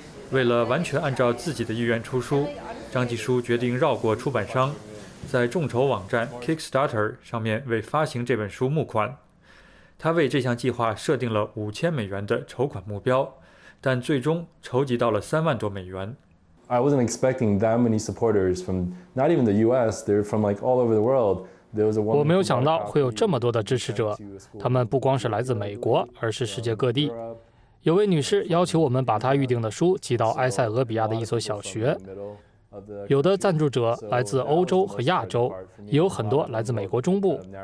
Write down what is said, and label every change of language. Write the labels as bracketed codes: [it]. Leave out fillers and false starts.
[zh] 为了完全按照自己的意愿出书，张继书决定绕过出版商，在众筹网站 Kickstarter 上面为发行这本书募款。他为这项计划设定了$5,000的筹款目标，但最终筹集到了$30,000+。 [en] I wasn't expecting that many supporters from not even the U.S. They're from like all over the world. [zh] 我没有想到会有这么多的支持者，他们不光是来自美国，而是世界各地。有位女士要求我们把她预定的书寄到埃塞俄比亚的一所小学，有的赞助者来自欧洲和亚洲，也有很多来自美国中部。